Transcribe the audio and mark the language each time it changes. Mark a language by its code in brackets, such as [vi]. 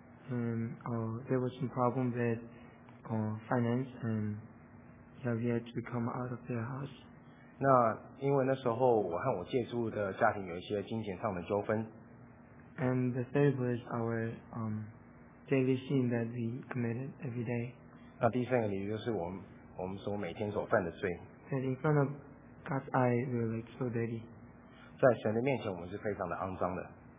[en] There was some problem with finance, and yeah, we had to come out of their house. [zh] 那因为那时候我和我借宿的家庭有一些金钱上的纠纷。 [en] And the third was our daily sin that we committed every day. [zh] 那第三个理由就是我们所每天所犯的罪。 [en] And in front of God's eye, we were like so dirty. [zh] 在神的面前，我们是非常的肮脏的。